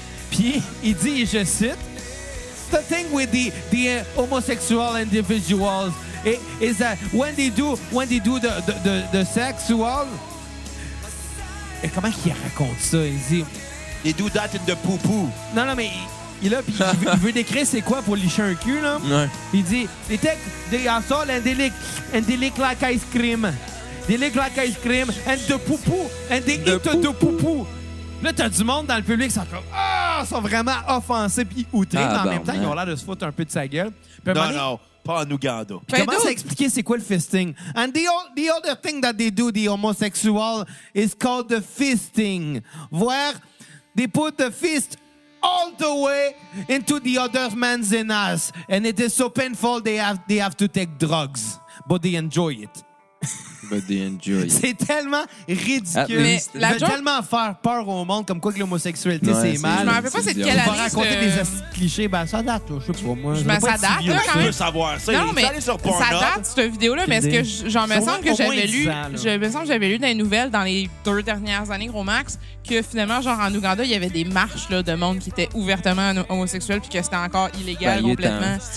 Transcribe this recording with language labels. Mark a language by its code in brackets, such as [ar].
[fr] Puis il dit, je cite, [en] « The thing with the homosexual individuals is that when they do the sexual... » [fr] Et comment qu'il raconte ça? Il dit... [en] « They do that in the poo-poo. » [fr] Non, mais... Il là, puis il veut décrire c'est quoi pour licher un cul, là. Ouais. Il dit, [en] « They take the assault and they lick like ice cream. They lick like ice cream and the poo-poo and they eat the poo-poo. [fr] » Là, t'as du monde dans le public qui sont comme, « Ah! » Ils sont vraiment offensés puis outrés. Ah, mais en même temps, ils ont l'air de se foutre un peu de sa gueule. Pis, non, pas en Ouganda. Il commence à expliquer c'est quoi le fisting. [en] « And the other thing that they do, the homosexual, is called the fisting. Voir, they put the fist... all the way into the other man's anus. And it is so painful, they have to take drugs. But they enjoy it. But they enjoy it. [fr] C'est tellement ridicule. Il veut tellement faire peur au monde comme quoi que l'homosexualité, ouais, c'est mal. Je m'en rappelle pas c'est de quelle année. Je vais raconter des clichés. Ben, ça date, je sais pas moi. Mais ça date, vieux, là, quand même. Tu veux savoir ça. Non, mais ça date, cette vidéo-là. Mais est-ce que j'en me semble que j'avais lu... Je me semble que j'avais lu dans les nouvelles dans les deux dernières années, gros max, que finalement, genre en Ouganda, il y avait des marches là, de monde qui était ouvertement homosexuel puis que c'était encore illégal complètement.